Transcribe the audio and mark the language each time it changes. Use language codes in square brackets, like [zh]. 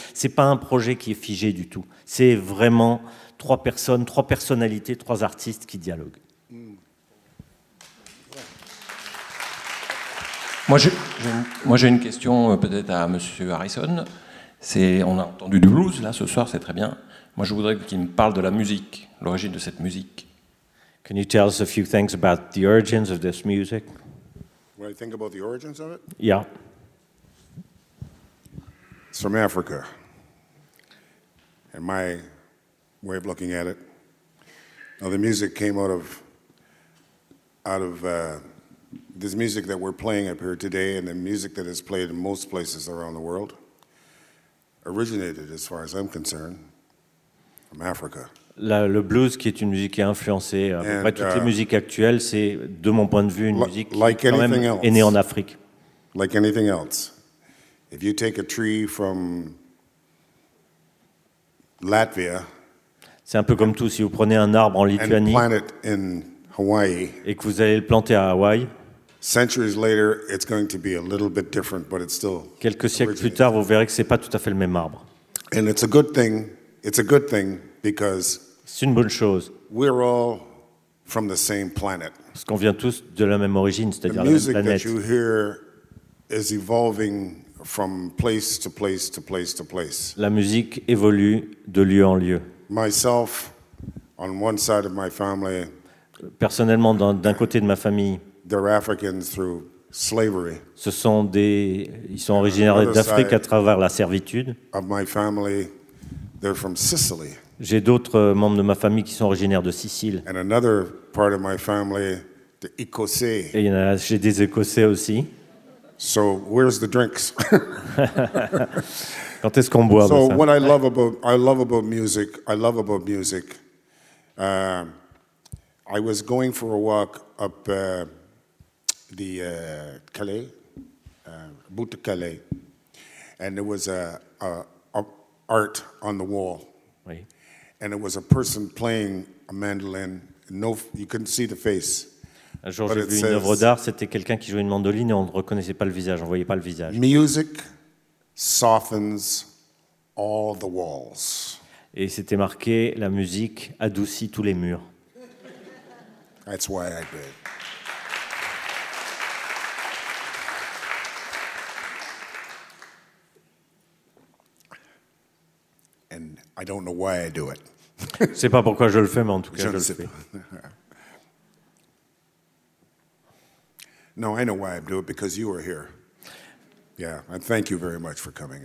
[fr] C'est pas un projet qui est figé du tout, c'est vraiment trois personnes, trois personnalités, trois artistes qui dialoguent. Moi j'ai une question peut-être à monsieur Harrison. On a entendu du blues là ce soir, c'est très bien. Moi je voudrais qu'il me parle de la musique, l'origine de cette musique. [en] Can you tell us a few things about the origins of this music? When I think about the origins of it? Yeah. It's from Africa. And my way of looking at it, now the music came out of this music that we're playing up here today and the music that is played in most places around the world originated, as far as I'm concerned, from Africa. [fr] Le blues, qui est une musique qui a influencé à peu près toutes les musiques actuelles, c'est, de mon point de vue, une musique [en] like [fr] qui quand même [en] else, [fr] est née en Afrique. [en] Like anything else. If you take a tree from Latvia, [fr] c'est un peu comme tout. Si vous prenez un arbre en Lituanie [en] and plant it in Hawaii, [fr] et que vous allez le planter à Hawaï, [en] centuries later, it's going to be a little bit different, but it's still [fr] quelques siècles plus tard, vous verrez que ce n'est pas tout à fait le même arbre. [en] And it's a good thing. It's a good thing. Because [fr] c'est une bonne chose. [en] We're all from the same planet. [fr] Parce qu'on vient tous de la même origine, c'est-à-dire la même planète. [en] The music that you hear is evolving from place to place to place to place. [fr] La musique évolue de lieu en lieu. [en] Myself, on one side of my family. [fr] Personnellement, d'un côté de ma famille. [en] They're Africans through slavery. [fr] Ils sont originaires d'Afrique à travers la servitude. [en] Of my family, they're from Sicily. [fr] J'ai d'autres membres de ma famille qui sont originaires de Sicile. [en] And another part of my family, the Écossais. [fr] Et il y en a, j'ai des Écossais aussi. [en] So where's the drinks? [fr] Quand est-ce qu'on boit? [en] So what I love about music I was going for a walk up the Calais, Bout de Calais, and there was a art on the wall, [fr] oui. [en] And it was a person playing a mandolin. No, you couldn't see the face. [fr] Un jour, j'ai vu une œuvre d'art. C'était quelqu'un qui jouait une mandoline et on ne reconnaissait pas le visage. On voyait pas le visage. [en] Music softens all the walls. [fr] Et c'était marqué la musique adoucit tous les murs. [en] That's why I did. And I don't know why I do it. [fr] Je sais pas pourquoi je le fais, mais en tout cas, je le fais. [en] No, I know why I do it, because you are here. Yeah, and thank you very much for coming.